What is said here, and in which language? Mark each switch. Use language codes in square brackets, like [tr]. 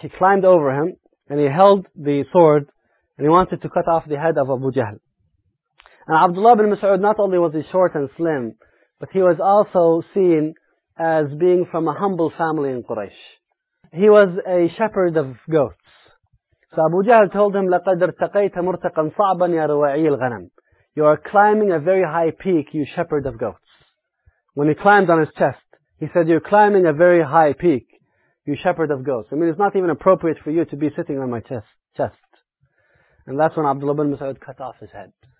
[en] He climbed over him, and he held the sword, and he wanted to cut off the head of Abu Jahl. And Abdullah ibn Mas'ud, not only was he short and slim, but he was also seen as being from a humble family in Quraysh. He was a shepherd of goats. So Abu Jahl told him, [ar] لَقَدْ ارْتَقَيْتَ مُرْتَقًا صَعْبًا يَا رُوَعِيِ الْغَنَمِ. [en] You are climbing a very high peak, you shepherd of goats. When he climbed on his chest, he said, you're climbing a very high peak, you shepherd of goats. I mean, it's not even appropriate for you to be sitting on my chest. And that's when Abdullah ibn Mas'ud cut off his head.